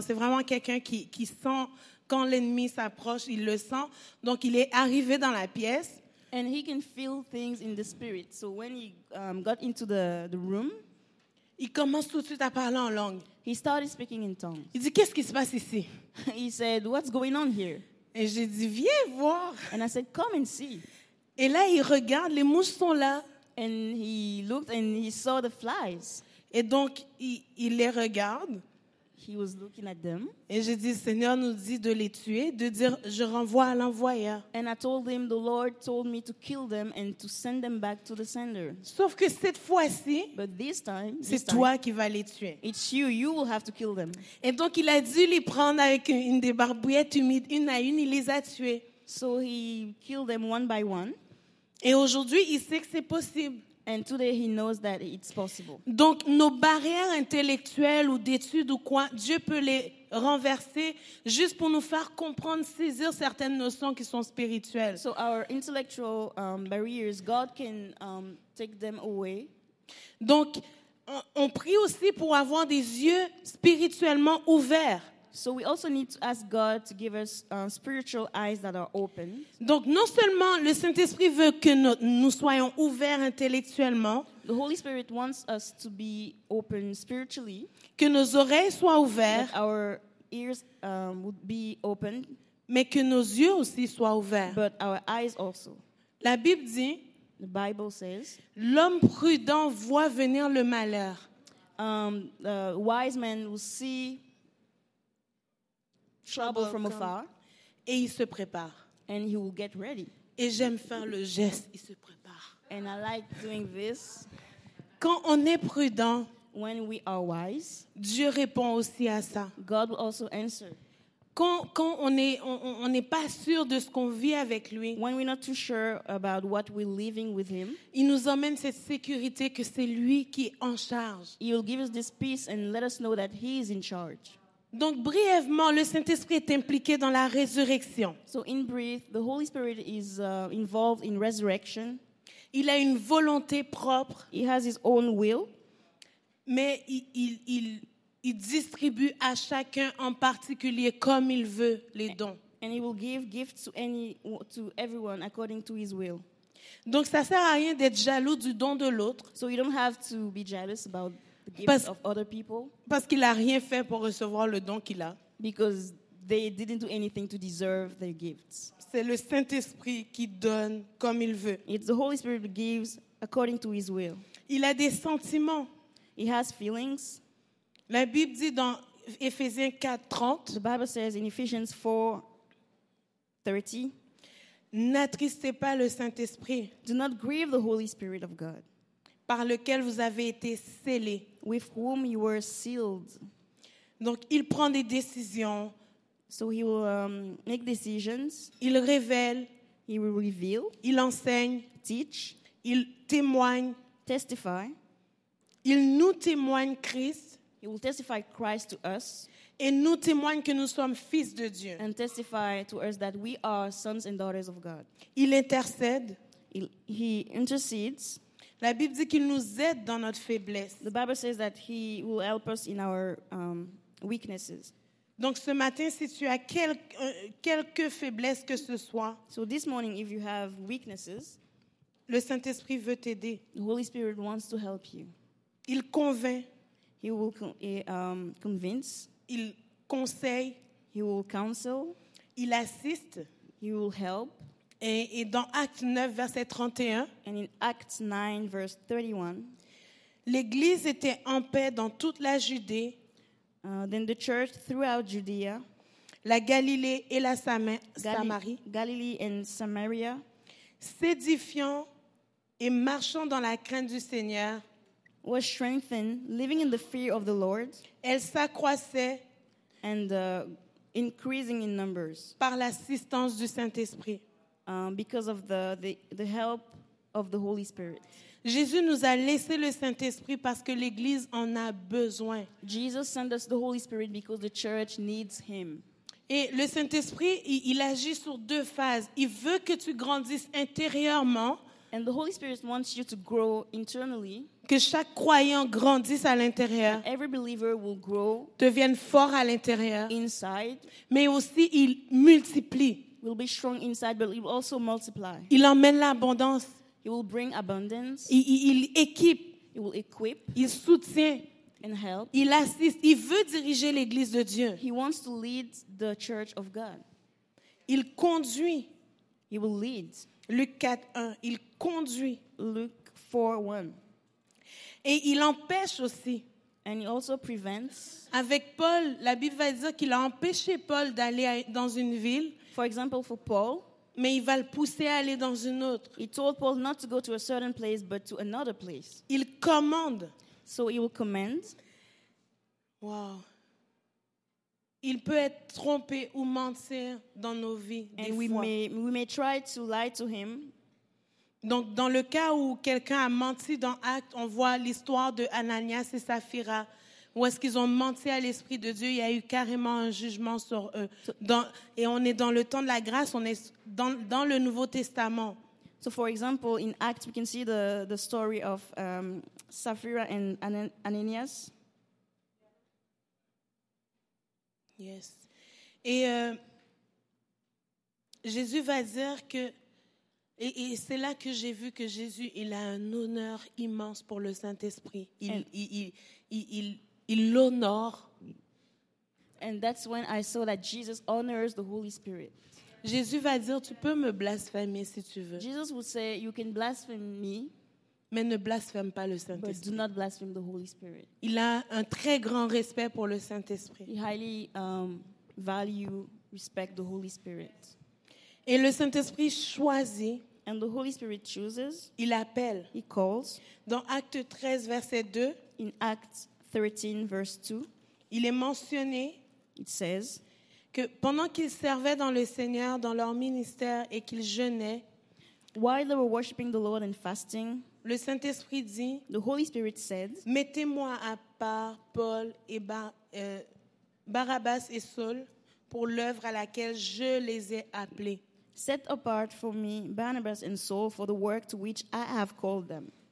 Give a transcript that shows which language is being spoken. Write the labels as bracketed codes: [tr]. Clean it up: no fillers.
[fr] C'est vraiment quelqu'un qui sent quand l'ennemi s'approche, il le sent. Donc il est arrivé dans la pièce. [en] And he can feel things in the spirit. So when he got into the room, [fr] il commence tout de suite à parler en langue. [en] He started speaking in tongues. [fr] Il dit, qu'est-ce qui se passe ici? [en] He said, what's going on here? [fr] Et j'ai dit, viens voir. [en] And I said, come and see. [fr] Et là, il regarde, les mouches sont là. [en] And he looked and he saw the flies. [fr] Et donc, il les regarde. [en] He was looking at them. [fr] Et j'ai dit, Seigneur nous dit de les tuer, de dire, je renvoie à l'envoyeur. [en] And I told him, the Lord told me to kill them and to send them back to the sender. [fr] Sauf que cette fois-ci, [en] but this time, [fr] c'est [en] this time, [fr] toi qui vas les tuer. [en] It's you, you will have to kill them. [fr] Et donc, il a dû les prendre avec une des barbouillettes humides, une à une, il les a tués. [en] So he killed them one by one. [fr] Et aujourd'hui, il sait que c'est possible. [en] And today he knows that it's possible. [fr] Donc nos barrières intellectuelles ou d'études ou quoi, Dieu peut les renverser juste pour nous faire comprendre, saisir certaines notions qui sont spirituelles. [en] So our intellectual barriers, God can take them away. [fr] Donc on prie aussi pour avoir des yeux spirituellement ouverts. [en] So we also need to ask God to give us spiritual eyes that are open. [fr] Donc non seulement le Saint-Esprit veut que nous soyons ouverts intellectuellement. [en] The Holy Spirit wants us to be open spiritually. [fr] Que nos oreilles soient ouvertes. [en] That our ears would be open. [fr] Mais que nos yeux aussi soient ouverts. [en] But our eyes also. [fr] La Bible dit. [en] The Bible says. [fr] L'homme prudent voit venir le malheur. [en] The wise man will see trouble from afar. [fr] Et il se prépare. [en] And he will get ready. [fr] Et j'aime faire le geste, il se prépare. [en] And I like doing this. [fr] Quand on est prudent, [en] when we are wise, [fr] Dieu répond aussi à ça. [en] God will also answer. [fr] quand on n'est pas sûr de ce qu'on vit avec lui, [en] when we're not too sure about what we're living with him, [fr] il nous emmène cette sécurité que c'est lui qui est en charge. [en] He will give us this peace and let us know that he is in charge. [fr] Donc brièvement, le Saint-Esprit est impliqué dans la résurrection. [en] So in brief, the Holy Spirit is involved in resurrection. [fr] Il a une volonté propre. [en] He has his own will. [fr] Mais il distribue à chacun en particulier comme il veut les dons. [en] And he will give gifts to everyone according to his will. [fr] Donc ça sert à rien d'être jaloux du don de l'autre. [en] So you don't have to be jealous about the gifts of other people. [fr] Parce qu'il a rien fait pour recevoir le don qu'il a. [en] Because they didn't do anything to deserve their gifts. [fr] C'est le Saint-Esprit qui donne comme il veut. [en] It's the Holy Spirit who gives according to his will. [fr] Il a des sentiments. [en] He has feelings. [fr] La Bible dit dans Éphésiens 4:30. [en] The Bible says in Ephesians 4:30. [fr] N'attristez pas le Saint-Esprit. [en] Do not grieve the Holy Spirit of God. [fr] Par lequel vous avez été scellés. [en] With whom you were sealed. [fr] Donc il prend des décisions. [en] So he will make decisions. [fr] Il révèle. [en] He will reveal. [fr] Il enseigne. [en] Teach. [fr] Il témoigne. [en] Testify. [fr] Il nous témoigne Christ. [en] He will testify Christ to us. [fr] Et nous témoigne que nous sommes fils de Dieu. [en] And testify to us that we are sons and daughters of God. [fr] Il intercède. [en] He intercedes. [fr] La Bible dit qu'il nous aide dans notre faiblesse. [en] The Bible says that he will help us in our weaknesses. [fr] Donc ce matin, si tu as quelque faiblesse que ce soit, [en] so this morning, if you have weaknesses, [fr] le Saint-Esprit veut t'aider. [en] The Holy Spirit wants to help you. [fr] Il convainc. [en] He will convince. [fr] Il conseille. [en] He will counsel. [fr] Il assiste. [en] He will help. [fr] Et dans Actes 9, verset 31, [en] and in Acts 9, verse 31, [fr] l'Église était en paix dans toute la Judée. [en] Then the church throughout Judea, [fr] la Galilée et la Samarie, [en] Galilee and Samaria, [fr] s'édifiant et marchant dans la crainte du Seigneur, [en] was strengthened, living in the fear of the Lord, [fr] elle s'accroissait, [en] and increasing in numbers, [fr] par l'assistance du Saint-Esprit, [en] because of the help of the Holy Spirit. [fr] Jésus nous a laissé le Saint-Esprit parce que l'Église en a besoin. [en] Jesus sent us the Holy Spirit because the church needs him. [fr] Et le Saint-Esprit, il agit sur deux phases. Il veut que tu grandisses intérieurement. [en] And the Holy Spirit wants you to grow internally. [fr] Que chaque croyant grandisse à l'intérieur. [en] Every believer will grow. [fr] Devienne fort à l'intérieur. [en] Inside. [fr] Mais aussi, il multiplie. [en] Will be strong inside, but it will also multiply. [fr] Il emmène l'abondance. [en] He will bring abundance. [fr] Il équipe. [en] He will equip. [fr] Il soutient. [en] And help. [fr] Il assiste. Il veut diriger l'Église de Dieu. [en] He wants to lead the church of God. [fr] Il conduit. [en] He will lead. [fr] Luc 4:1. Il conduit. [en] Luke 4:1. [fr] Et il empêche aussi. [en] And he also prevents. [fr] Avec Paul, la Bible va dire qu'il a empêché Paul d'aller dans une ville. [en] For example, for Paul. [fr] Mais il va le pousser à aller dans une autre. [en] He told Paul not to go to a certain place, but to another place. [fr] Il commande. [en] So he will command. Wow. [fr] Il peut être trompé ou mentir dans nos vies. [en] And [fr] des [en] we may try to lie to him. [fr] Donc, dans le cas où quelqu'un a menti dans Actes, on voit l'histoire de Ananias et Sapphira, où est-ce qu'ils ont menti à l'Esprit de Dieu, il y a eu carrément un jugement sur eux. Et on est dans le temps de la grâce, on est dans le Nouveau Testament. [en] So, for example, in Acts, we can see the story of Sapphira and Ananias. Yes. [fr] Et Jésus va dire que et c'est là que j'ai vu que Jésus, il a un honneur immense pour le Saint-Esprit. Il l'honore. [en] And that's when I saw that Jesus honors the Holy Spirit. [fr] Jésus va dire, tu peux me blasphémer si tu veux. [en] Jesus will say, you can blaspheme me. [fr] Mais ne blasphème pas le Saint-Esprit. [en] But do not blaspheme the Holy Spirit. [fr] Il a un très grand respect pour le Saint-Esprit. [en] He highly respect the Holy Spirit. [fr] Et le Saint-Esprit choisit. [en] And the Holy Spirit chooses. [fr] Il appelle. [en] He calls. [fr] Dans Acte 13, verset 2. [en] In Acts 13, verse 2. [fr] Il est mentionné. [en] It says. [fr] que pendant qu'ils servaient dans le Seigneur, dans leur ministère et qu'ils jeûnaient, [en] while they were worshiping the Lord and fasting, [fr] le Saint-Esprit dit, [en] the Holy Spirit said, [fr] mettez-moi à part Paul et Barabbas et Saul pour l'œuvre à laquelle je les ai appelés. [en] Set apart for me Barnabas and Saul for the work to which I have called them.